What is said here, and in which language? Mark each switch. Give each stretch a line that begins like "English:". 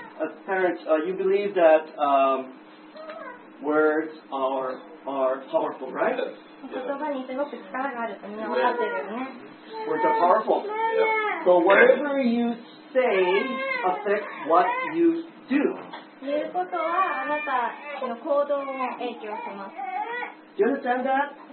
English: As parents, you believe that words are powerful, right?
Japanese: 言葉にすごく力があるとみんな分かってるよね。
English: Words are powerful. So whatever you say affects what you do. Do you understand that?